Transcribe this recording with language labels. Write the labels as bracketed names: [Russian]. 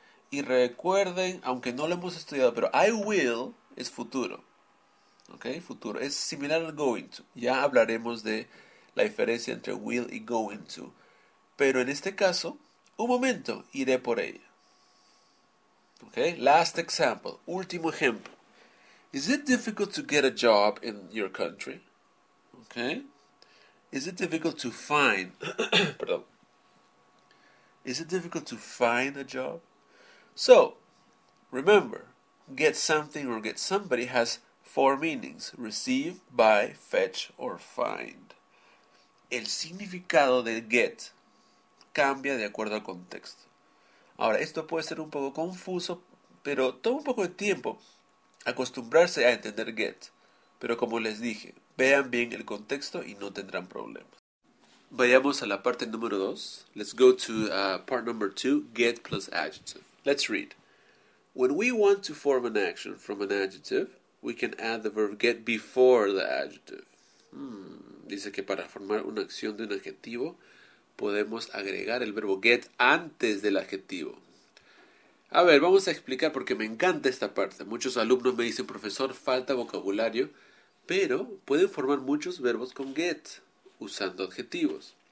[Spanish] Y recuerden, aunque no lo hemos estudiado, pero [English] I will [Spanish] es futuro. Okay, futuro. Es similar al going to. Ya hablaremos de la diferencia entre will y going to. Pero en este caso, un momento, iré por ella. [English] Okay, last example, [Spanish] último ejemplo. [English] Is it difficult to get a job in your country? Okay. Is it difficult to find... perdón. Is it difficult to find a job? So, remember, get something or get somebody has four meanings. Receive, buy, fetch, or find. [Spanish] El significado de get cambia de acuerdo al contexto. Ahora, esto puede ser un poco confuso, pero toma un poco de tiempo acostumbrarse a entender get. Pero como les dije, vean bien el contexto y no tendrán problemas. Vayamos a la parte número 2. [English] Let's go to part number 2, get plus adjective. Let's read. When we want to form an action from an adjective, we can add the verb get before the adjective. [Spanish] Dice que para formar una acción de un adjetivo, podemos agregar el verbo get antes del adjetivo. A ver, vamos a explicar porque me encanta esta parte. Muchos alumnos me dicen, profesor, falta vocabulario, pero pueden formar muchos verbos con get, usando adjetivos.